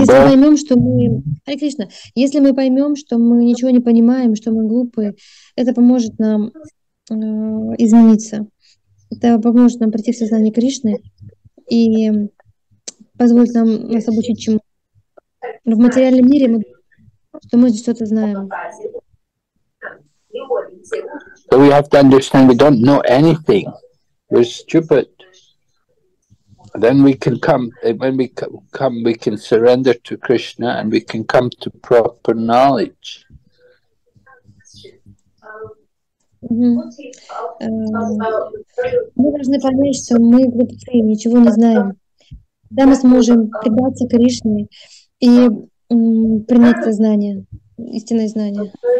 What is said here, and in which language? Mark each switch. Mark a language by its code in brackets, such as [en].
[ru] Если мы поймем, что мы ничего не понимаем, что мы глупые, это поможет нам измениться. Это поможет нам прийти в сознание Кришны и позволит нам нас обучить чему. В материальном мире мы думаем, что мы здесь что-то знаем. [en] So we have to understand we don't know anything. We're stupid. Then we can come, when we come, we can surrender to Krishna and we can come to proper knowledge. [ru] Мы должны понять, что мы глупцы, ничего не знаем. Да, мы сможем предаться Кришне и принять сознание, истинное знание.